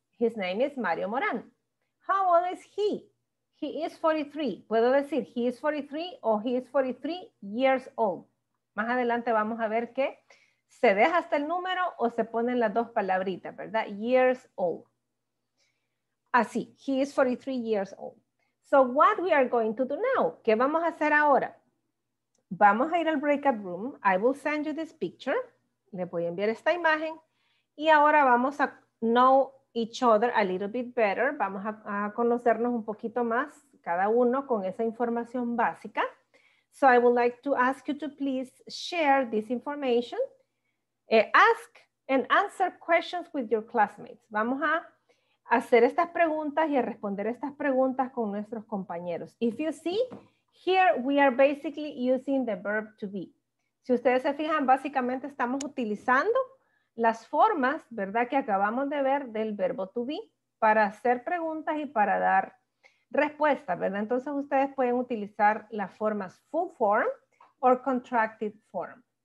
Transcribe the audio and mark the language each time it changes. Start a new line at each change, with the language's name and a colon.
English: His name is Mario Morán. How old is he? He is 43.
Spanish: Puedo decir
English: he is 43 o he is 43 years old.
Spanish: Más adelante vamos a ver que se deja hasta el número o se ponen las dos palabritas, ¿verdad?
English: Years old. Así, he is 43 years old. So what we are going to do now?
Spanish: ¿Qué vamos a hacer ahora? Vamos a ir al breakout room.
English: I will send you this picture.
Spanish: Le voy a enviar esta imagen. Y ahora vamos a
English: know each other a little bit better.
Spanish: Vamos a conocernos un poquito más cada uno con esa información básica.
English: So I would like to ask you to please share this information. Ask and answer questions with your classmates.
Spanish: Vamos a hacer estas preguntas y a responder estas preguntas con nuestros compañeros.
English: If you see, here we are basically using the verb to be.
Spanish: Si ustedes se fijan, básicamente estamos utilizando las formas, ¿verdad?, que acabamos de ver del verbo to be para hacer preguntas y para dar respuestas, ¿verdad? Entonces ustedes pueden utilizar las formas
English: full form or contracted form.